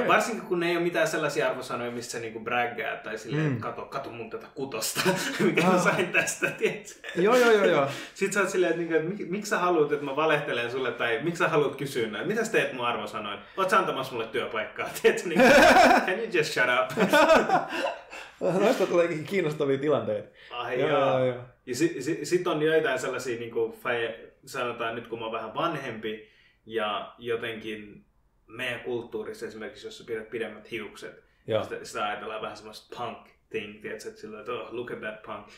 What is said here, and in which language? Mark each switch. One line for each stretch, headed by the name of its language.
Finnish: Ja varsinkin, kun ne ei ole mitään sellaisia arvosanoja, missä sä niinku braggaa tai silleen, että kato mun tätä kutosta, mikä mä sain tästä, tiedätkö? Joo, joo, joo. Sitten sä oot silleen, että miksi sä haluat, että mä valehtelen sulle, tai miksi sä haluat kysyä näin, mitä sä teet mun arvosanoin? Oot sä antamassa mulle työpaikkaa, tiedätkö? Niin,
English: can you just shut up?
Finnish: Noista tuleekin kiinnostavia tilanteita. Ai joo. Ja sit on joitain sellaisia, niin kuin sanotaan nyt, kun mä oon vähän vanhempi, ja jotenkin meidän kulttuurissa esimerkiksi, jos sä pidät pidemmät hiukset, sitä ajatellaan vähän semmoista
English: punk thing,
Finnish: tiedätkö, että silleen,
English: oh, look at that punk.